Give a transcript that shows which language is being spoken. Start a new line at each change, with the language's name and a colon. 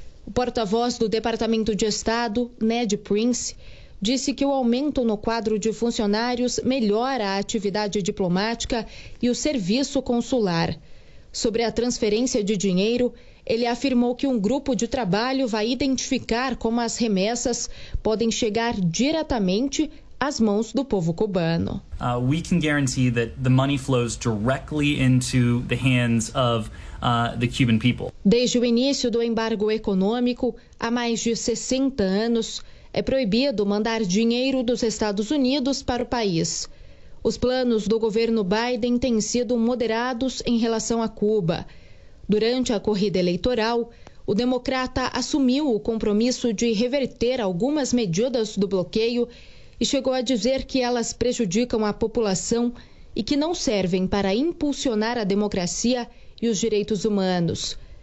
Portuguese: O porta-voz do Departamento de Estado, Ned Prince, disse que o aumento no quadro de funcionários melhora a atividade diplomática e o serviço consular. Sobre a transferência de dinheiro, ele afirmou que um grupo de trabalho vai identificar como as remessas podem chegar diretamente às mãos do povo cubano.
English: We can guarantee that the money flows directly into the hands of the Cuban people.
Portuguese: Desde o início do embargo econômico, há mais de 60 anos, é proibido mandar dinheiro dos Estados Unidos para o país. Os planos do governo Biden têm sido moderados em relação a Cuba. Durante a corrida eleitoral, o democrata assumiu o compromisso de reverter algumas medidas do bloqueio e chegou a dizer que elas prejudicam a população e que não servem para impulsionar a democracia e os direitos humanos.